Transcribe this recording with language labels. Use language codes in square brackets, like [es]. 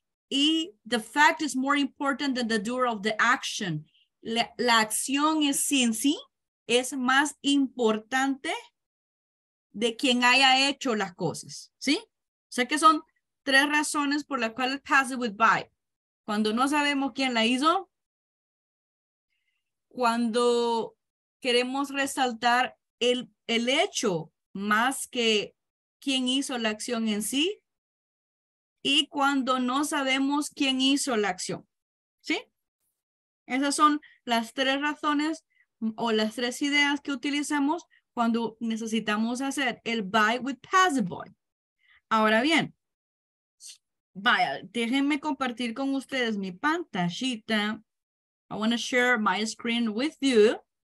[en] Y the fact is more important than the doer of the action. [es] La, la acción es en sí, es más importante de quien haya hecho las cosas. ¿Sí? O sea que son tres razones por las cuales [en] passive with by. [es] Cuando no sabemos quién la hizo, cuando queremos resaltar el hecho más que quién hizo la acción en sí, y cuando no sabemos quién hizo la acción, ¿sí? Esas son las tres razones o las tres ideas que utilizamos cuando necesitamos hacer el [en] by with passive voice. [es] Ahora bien, vaya, déjenme compartir con ustedes mi pantallita. [en] I want to share my screen with you.